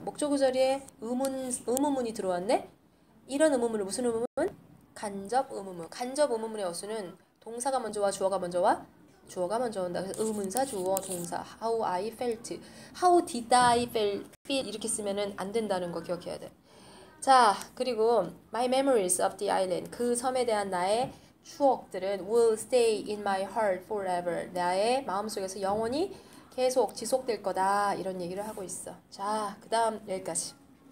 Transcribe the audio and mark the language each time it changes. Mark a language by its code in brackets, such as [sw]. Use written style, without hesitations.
[ko] 목적어 자리에 의문문이 들어왔네? 이런 의문문을 무슨 의문문? 간접 의문문. 간접 의문문의 어순은 동사가 먼저 와? 주어가 먼저 와? 주어가 먼저 온다. 그래서 의문사, 주어, 동사. [en] How I felt. How did I feel? [ko] 이렇게 쓰면은 안 된다는 거 기억해야 돼. [en] 자, 그리고 My memories of the island. [ko] 그 섬에 대한 나의 추억들은 [en] will stay in my heart forever. [ko] 나의 마음속에서 영원히 계속 지속될 거다. 이런 얘기를 하고 있어. 자, 그 다음 여기까지.